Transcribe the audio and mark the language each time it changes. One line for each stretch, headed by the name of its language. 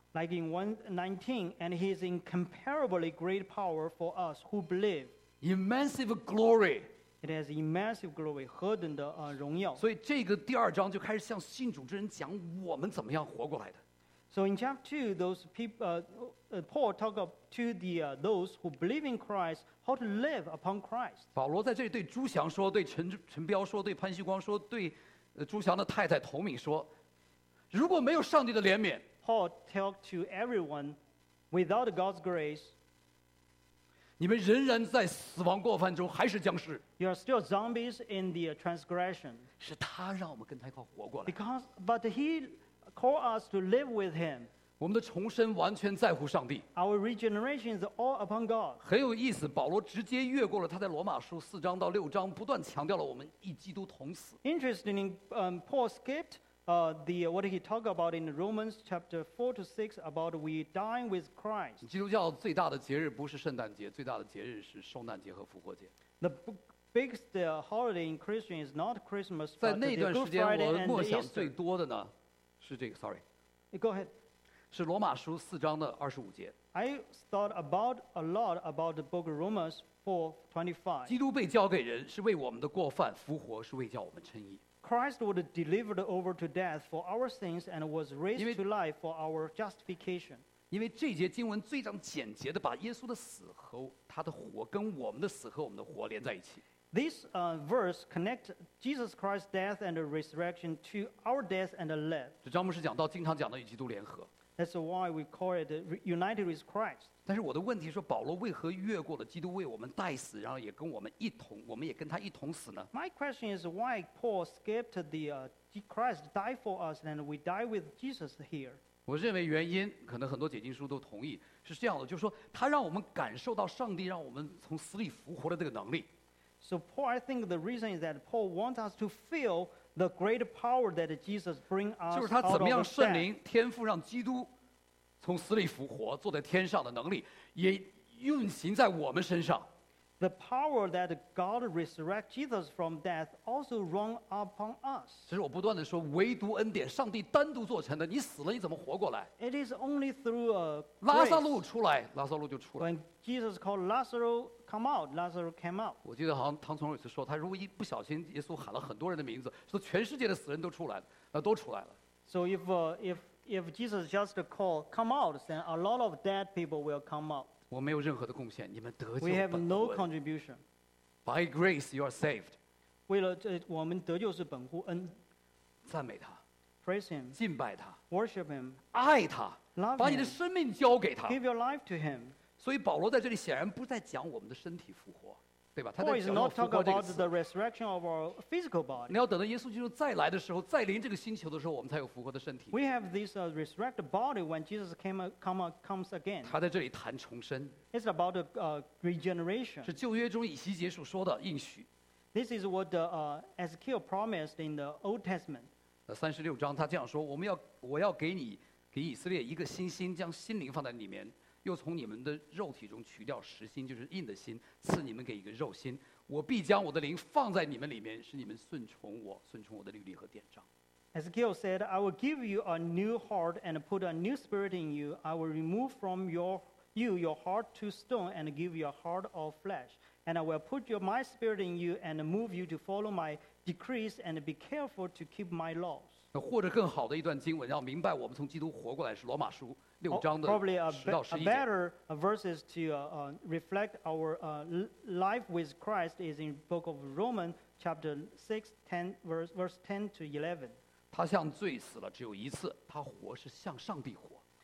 English: Like in 1:19, and he is incomparably great power for us who believe. Immense glory. It has immense glory,
Chinese: 何等的荣耀。所以这个第二章就开始向信主之人讲我们怎么样活过来的。
English: So in chapter 2, those people, Paul talked up to the, those who believe in Christ, how to live upon Christ.
Chinese: 保罗在这里对朱翔说，对 陈彪说，对潘西光说，对朱翔的太太童敏说，如果没有上帝的怜悯，
English: Paul talked to everyone without God's grace.
Chinese: 你们仍然在死亡过犯中，还是僵尸。
English: You are still zombies in the transgression.
Chinese: 是他让我们跟他一块活过来。
English: Because, but he... Call us to live with him.
Chinese: 我们的重生完全在乎上帝。
English: Our regeneration is all upon God.
Chinese: 很有意思，保罗直接越过了他在罗马书四章到六章不断强调了我们与基督同死。
English: Interestingly, Paul skipped what he talked about in Romans chapter 4-6 about we dying with Christ.
Chinese: 基督教最大的节日不是圣诞节，最大的节日是受难节和复活节。
English: The biggest holiday in Christian is not Christmas.
Chinese: 在那段时间，我默想最多的呢。是这个
English: Go ahead.
Chinese: 是罗马书四章的二十五节。
English: I thought about a lot about the book of Romans 4:25.
Chinese: 基督被交给人是为我们的过犯，复活是为叫我们称义。
English: Christ was delivered over to death for our sins and was raised to life for our justification.
Chinese: 因为这节经文最常简洁的把耶稣的死和他的活跟我们的死和我们的活连在一起。
English: This verse connects Jesus Christ's death and resurrection to our death and life.
Chinese: 这张牧师讲到经常讲到与基督联合。
English: That's why we call it united with Christ.
Chinese: 但是我的问题说，保罗为何越过了基督为我们代死，然后也跟我们一同，我们也跟他一同死呢？
English: My question is why Paul skipped the Christ died for us and we die with Jesus here.
Chinese: 我认为原因可能很多解经书都同意，是这样的，就是说他让我们感受到上帝让我们从死里复活的这个能力。
English: So Paul, I think the reason is that Paul wants us to feel the great power that Jesus brings us out of death.
Chinese: 就是他怎么样圣灵天父让基督从死里复活坐在天上的能力也运行在我们身上。
English: The power that God resurrected Jesus from death also rung upon us.
Chinese: 其实我不断地说，唯独恩典，上帝单独做成的。你死了，你怎么活过来
English: ？It is only through a grace.
Chinese: 拉撒路出来，拉撒路就出来。
English: When Jesus called Lazarus, come out, Lazarus came out.
Chinese: 我记得好像唐崇有次说，他如果一不小心，耶稣喊了很多人的名字，说全世界的死人都出来了，那都出来了。
English: So if Jesus just called, come out, then a lot of dead people will come out.
Chinese: 我没有任何的贡献，你们得救本分。
English: We have no contribution. By grace, you are saved.
Chinese: 为了这，我们得救是本乎恩。赞美他。
English: Praise him.
Chinese: 敬拜他。
English: Worship him.
Chinese: 爱他。
English: Love him.
Chinese: 把你的生命交给他。
English: Give your life to him.
Chinese: 所以保罗在这里显然不在讲我们的身体复活，对吧？他在讲复活这个词。
English: Paul is not talking about the resurrection of our physical body.
Chinese: 你要等到耶稣基督再来的时候，再临这个星球的时候，我们才有复活的身体。
English: We have this resurrected body when Jesus comes again.
Chinese: 他在这里谈重生。
English: It's about regeneration.
Chinese: 是旧约中以西结书说的应许。
English: This is what Ezekiel promised in the Old Testament.
Chinese: 36章他这样说：我要给你，给以色列一个新心，将心灵放在里面。又从你们的肉体中取掉实心，就是硬的心，赐你们给一个肉心。我必将我的灵放在你们里面，使你们顺从我，顺从我的律例和典章。
English: Ezekiel said, I will give you a new heart and put a new spirit in you. I will remove from your heart to stone and give you a heart of flesh. And I will put my spirit in you and move you to follow my decrees and be careful to keep my laws.
Chinese: 或者更好的一段经文，要明白我们从基督活过来是罗马书六章的十到十一节。
English: A better verses to reflect our life with Christ is in Book of Romans chapter 6:10-11.
Chinese: 他向罪死了只有一次，他活是向上帝活。